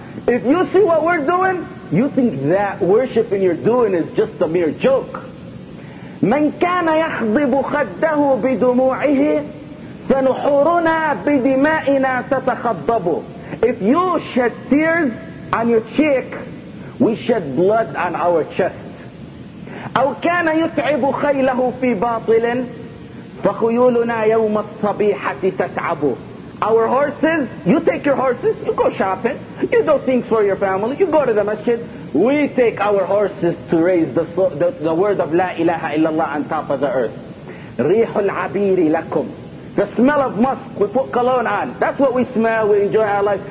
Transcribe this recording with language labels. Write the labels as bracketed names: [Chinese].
[English] If you see what we're doing, you think that worshipping you're doing is just a mere joke. [Arabic] مَنْ كَانَ يَخْضِبُ خَدَّهُ بِدُمُوعِهِ فَنُحُورُنَا بِدِمَائِنَا تَتَخَضَّبُ. [English] If you shed tears on your cheek, we shed blood on our chest. [Arabic] أو كان يتعب خيله في باطل فخيولنا يوم الصبيحة تتعب. [English] Our horses, you take your horses, you go shopping, you do things for your family, you go to the masjid. We take our horses to raise the word of [Arabic] لا إله إلا الله [English] on top of the earth. [Arabic] ريح العبير لكم. [English] The smell of musk, we put cologne on. That's what we smell, we enjoy our life.